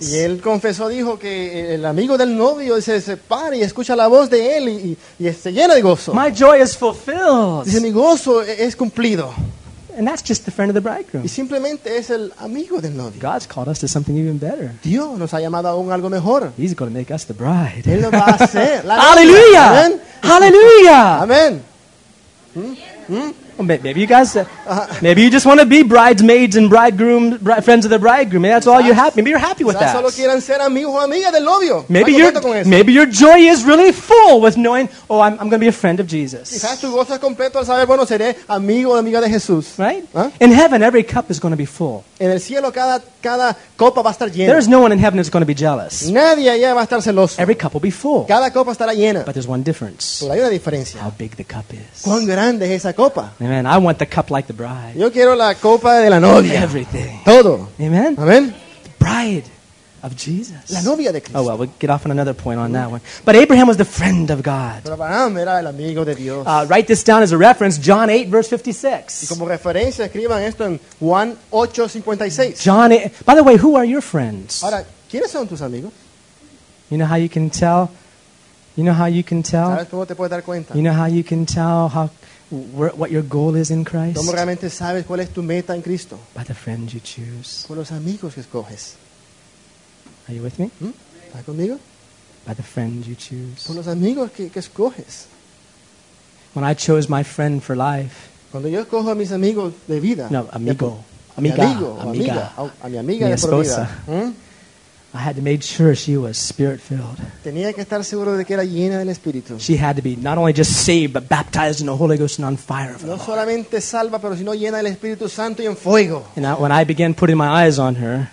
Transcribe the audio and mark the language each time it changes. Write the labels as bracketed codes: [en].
[es] Y él confesó, dijo que el amigo del novio se separa y escucha la voz de él y se llena de gozo. [en] My joy is fulfilled. [es] Dice, mi gozo es cumplido. [en] And that's just the friend of the bridegroom. [es] Y simplemente es el amigo del novio. [en] God's called us to something even better. [es] Dios nos ha llamado aún algo mejor. [en] He's going to make us the bride. [es] Él lo va a hacer. Hallelujah! Amen. Hallelujah! Amen. [en] Well, maybe you guys, maybe you just want to be bridesmaids and bridegrooms, friends of the bridegroom. Maybe that's all you're happy. Maybe you're happy with that. [es] Solo quieren ser amigo o amiga del novio. [en] Maybe your joy is really full with knowing, oh, I'm going to be a friend of Jesus. [es] Quizás tu gozo es completo al saber, bueno, seré amigo o amiga de Jesús. [en] Right? In heaven, every cup is going to be full. [es] En el cielo, cada copa va a estar llena. [en] There's no one in heaven that's going to be jealous. [es] Nadie allá va a estar celoso. [en] Every cup will be full. [es] Cada copa estará llena. [en] But there's one difference. [es] Pero hay una diferencia. [en] How big the cup is. [es] ¿Cuán grande es esa copa? [en] Amen. I want the cup like the bride. [es] Yo quiero la copa de la novia. [en] Everything. [es] Todo. Amen. Amen. [en] The bride of Jesus. [es] La novia de Cristo. [en] Oh well, we'll get off on another point on that one. But Abraham was the friend of God. [es] Pero Abraham era el amigo de Dios. [en] Write this down as a reference. John 8, verse 56. [es] Y como referencia, escriban esto en Juan 8, 56. [en] John 8. By the way, who are your friends? [es] Ahora, ¿quiénes son tus amigos? [en] You know how you can tell You know how you can tell? [es] ¿Sabes cómo te puedes dar cuenta? [en] You know how you can tell how what your goal is in Christ? [es] ¿Cómo realmente sabes cuál es tu meta en Cristo? [en] By the friends you choose. [es] Por los amigos que escoges. [en] Are you with me? [es] ¿Estás conmigo? [en] By the friends you choose. [es] Por los amigos que escoges. [en] When I chose my friend for life. [es] Cuando yo escojo a mis amigos de vida. No, amigo. Amiga, amiga, mi esposa. [en] I had to make sure she was spirit-filled. [es] Tenía que estar seguro de que era llena del Espíritu. [en] She had to be not only just saved, but baptized in the Holy Ghost and on fire. [es] No solamente salva, pero sino llena del Espíritu Santo y en fuego. [en] And when I began putting my eyes on her,